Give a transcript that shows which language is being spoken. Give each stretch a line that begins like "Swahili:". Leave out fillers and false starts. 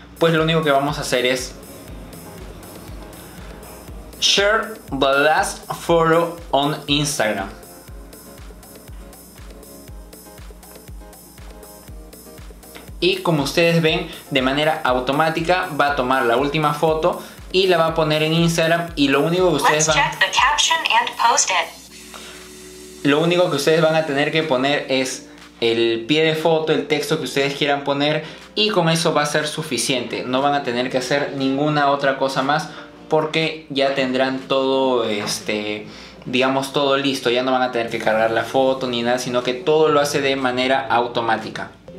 Spanish: Pues lo único que vamos a hacer es
English: share the last photo on Instagram.
Spanish: Y como ustedes ven, de manera automática va a tomar la última foto y la va a poner en Instagram. Y lo único que ustedes van a...
English: Let's check the caption and post it.
Spanish: Lo único que ustedes van a tener que poner es el pie de foto, el texto que ustedes quieran poner, y con eso va a ser suficiente. No van a tener que hacer ninguna otra cosa más, porque ya tendrán todo, digamos, todo listo. Ya no van a tener que cargar la foto ni nada, sino que todo lo hace de manera automática.